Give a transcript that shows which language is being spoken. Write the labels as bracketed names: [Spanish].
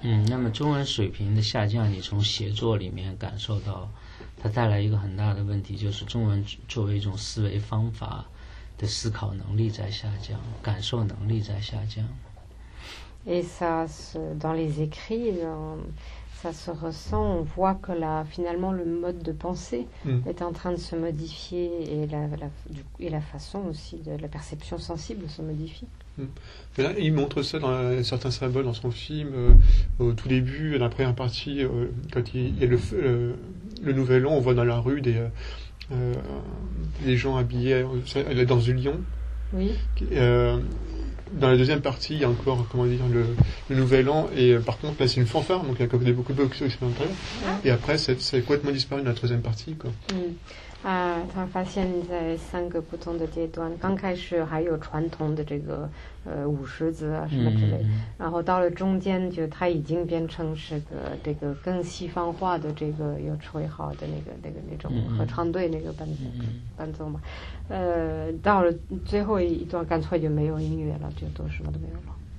[Chinese] 那么中文水平的下降，你从写作里面感受到，它带来一个很大的问题，就是中文作为一种思维方法的思考能力在下降，感受能力在下降。 [French] Et ça, dans les écrits, ça se ressent. On voit que là, finalement, le mode de pensée est en train de se modifier, et la façon aussi de la perception sensible se modifie. Mais là, il montre ça dans certains symboles dans son film, au tout début, dans la première partie, quand il y a le nouvel an, on voit dans la rue des gens habillés, elle est dans du lion. Oui. Dans la deuxième partie, il y a encore, comment dire, le nouvel an, et par contre, là, c'est une fanfare, donc il y a beaucoup de boxeurs qui sont entrés. Et après, c'est complètement disparu dans la troisième partie, quoi. [Chinese] 他发现在三个不同的阶段，刚开始还有传统的这个舞狮子啊什么之类的，然后到了中间就他已经变成是个这个更西方化的这个有吹号的那个那种合唱队那个伴奏嘛，到了最后一段干脆就没有音乐了，就都什么都没有了。